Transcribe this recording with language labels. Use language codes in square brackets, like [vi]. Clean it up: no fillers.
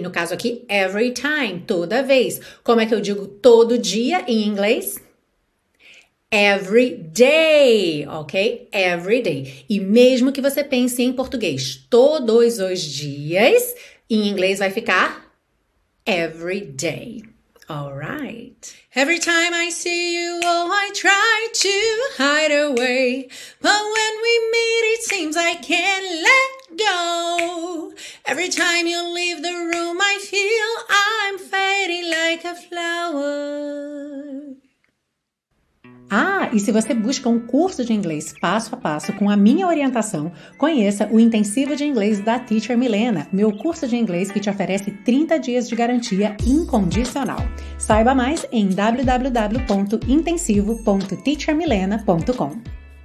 [pt] No caso aqui, [en] every time, [pt] toda vez. Como é que eu digo todo dia em inglês? [en] Every day, ok? Every day. [pt] E mesmo que você pense em português, todos os dias, em inglês vai ficar [en] every day. Alright. Every time I see you, oh, I try to hide away. But when we meet, it seems I can't let go. Every time you leave the room, I feel I'm fading like a flower. [pt] E se você busca um curso de inglês passo a passo com a minha orientação, conheça o Intensivo de Inglês da Teacher Milena, meu curso de inglês que te oferece 30 dias de garantia incondicional. Saiba mais em www.intensivo.teachermilena.com.